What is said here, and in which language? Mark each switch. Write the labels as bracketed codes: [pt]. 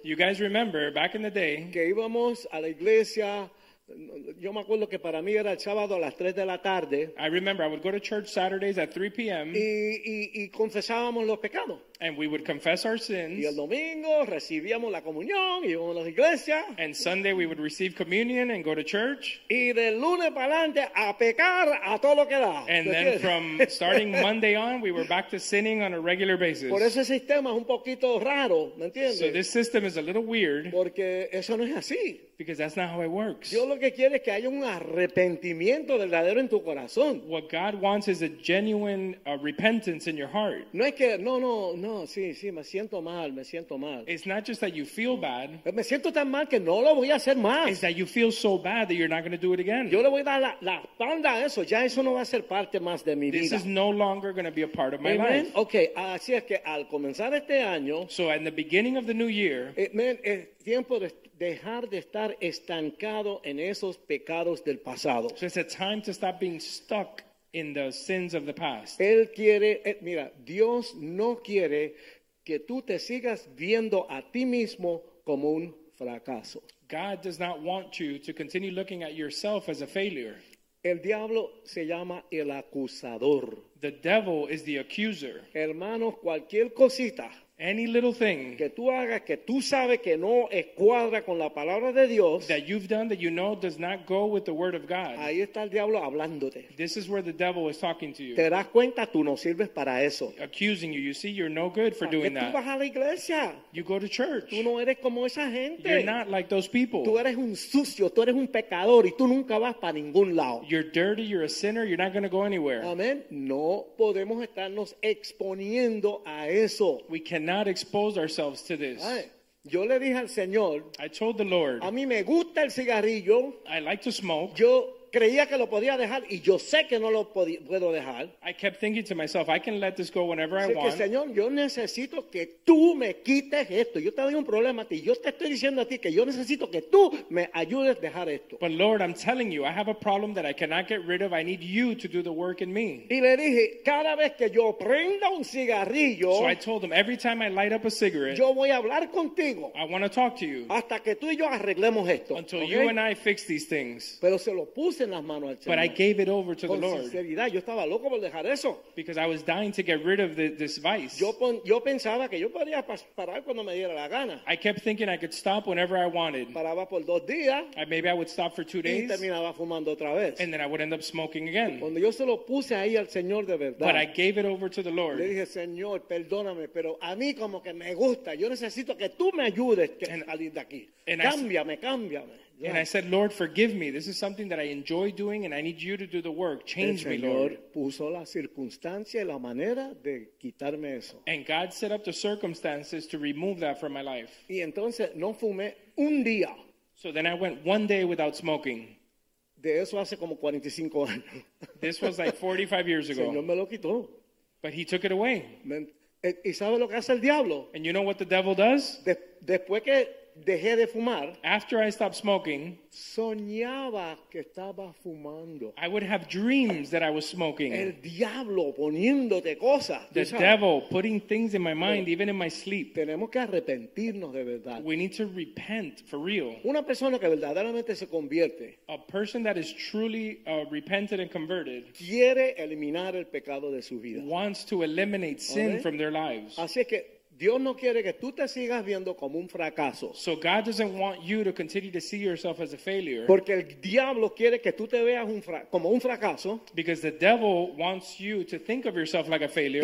[en] You guys remember back in the day. [es] Que íbamos a la iglesia. Yo me acuerdo que para mí era el sábado a las 3 de la tarde. [en] I remember I would go to church Saturdays at 3 p.m. [es] Y confesábamos los pecados. [en] And we would confess our sins. [es] Y el domingo recibíamos la comunión y íbamos a la iglesia. [en] And Sunday we would receive communion and go to church. [es] Y de lunes para adelante a pecar a todo lo que da. [en] And then from starting Monday on, we were back to sinning on a regular basis. [es] Por ese sistema es un poquito raro, ¿me entiendes? [en] So this system is a little weird. [es] Porque eso no es así. [en] Because that's not how it works. [es] Dios lo que quiere es que haya un arrepentimiento verdadero en tu corazón. [en] What God wants is a genuine repentance in your heart. [es] No es que, no, sí, me siento mal. [en] It's not just that you feel bad. [es] Me siento tan mal que no lo voy a hacer más. [en] It's that you feel so bad that you're not going to do it again. [es] Yo le voy a dar la espalda a eso. Ya eso no va a ser parte más de mi [en] this [es] vida. [en] This is no longer going to be a part of my amen. Life. [es] Okay, así es que al comenzar este año. [en] So in the beginning of the new year. [es] Es tiempo de dejar de estar estancado en esos pecados del pasado. [en] So it's a time to stop being stuck in the sins of the past. [es] Él quiere, mira, Dios no quiere que tú te sigas viendo a ti mismo como un fracaso. [en] God does not want you to continue looking at yourself as a failure. [es] El diablo se llama el acusador. [en] The devil is the accuser. [es] Hermano, cualquier cosita. [en] Any little thing [es] que tú hagas que tú sabes que no escuadra con la palabra de Dios, [en] that you've done that you know does not go with the word of God, [es] ahí está el diablo hablándote. [en] This is where the devil is talking to you. [es] Te das cuenta, tú no sirves para eso. [en] Accusing you. You see, you're no good for doing [es] tú [en] that. [es] Vas a la iglesia. [en] You go to church. [es] Tú no eres como esa gente. [en] You're not like those people. [es] Tú eres un sucio, tú eres un pecador y tú nunca vas para ningún lado. [en] You're dirty, you're a sinner, you're not going to go anywhere. [es] Amen. No podemos estarnos exponiendo a eso. [en] We cannot not expose ourselves to this. [es] Yo le dije al Señor, [en] I told the Lord, [es] a mí me gusta el cigarrillo. [en] I like to smoke. [es] Yo creía que lo podía dejar y yo sé que no lo puedo dejar. [en] I kept thinking to myself, I can let this go whenever [es] así [en] I want. [es] Que, Señor, yo necesito que tú me quites esto. Yo te doy un problema a ti. Yo te estoy diciendo a ti que yo necesito que tú me ayudes a dejar esto. [en] But Lord, I'm telling you, I have a problem that I cannot get rid of. I need you to do the work in me. [es] Y le dije, cada vez que yo prenda un cigarrillo, [en] so I told him, every time I light up a cigarette, [es] yo voy a hablar contigo. [en] I want to talk to you. [es] Hasta que tú y yo arreglemos esto. [en] Until okay? You and I fix these things. [es] Pero se lo puse en las manos al Señor. [en] But I gave it over to [es] con [en] the Lord. [es] Sinceridad, yo estaba loco por dejar eso. [en] Because I was dying to get rid of this vice. [es] Yo pensaba que yo podía parar cuando me diera la gana. [en] I kept thinking I could stop whenever I wanted. [es] Paraba por dos días. [en] Maybe I would stop for 2 days. [es] Y terminaba fumando otra vez. [en] And then I would end up smoking again. [es] Cuando yo se lo puse ahí al Señor de verdad. [en] But I gave it over to the Lord. [es] Le dije, Señor, perdóname, pero a mí como que me gusta. Yo necesito que tú me ayudes a salir de aquí. Cámbiame. [en] Yeah. And I said, Lord, forgive me. This is something that I enjoy doing and I need you to do the work. Change [es] el Señor [en] me, Lord. [es] Puso la circunstancia y la manera de quitarme eso. [en] And God set up the circumstances to remove that from my life. [es] Y entonces no fumé un día. [en] So then I went 1 day without smoking. [es] De eso hace como 45 años. [en] This was like 45 years ago. [es] Señor me lo quitó. [en] But he took it away. [es] ¿Y sabe lo que hace el diablo? [en] And you know what the devil does? [es] Después que dejé de fumar, [en] after I stopped smoking, [es] soñaba que estaba fumando. [en] I would have dreams that I was smoking. [es] El diablo poniéndote cosas, [en] the devil putting things in my mind, pero, even in my sleep. [es] Tenemos que arrepentirnos de verdad. [en] We need to repent for real. [es] Una persona que verdaderamente se convierte, [en] a person that is truly repented and converted, [es] quiere eliminar el pecado de su vida. [en] Wants to eliminate sin from their lives. [es] Así es que Dios no quiere que tú te sigas viendo como un fracaso. [en] So God doesn't want you to continue to see yourself as a failure. [es] Porque el diablo quiere que tú te veas como un fracaso. [en] Because the devil wants you to think of yourself like a failure.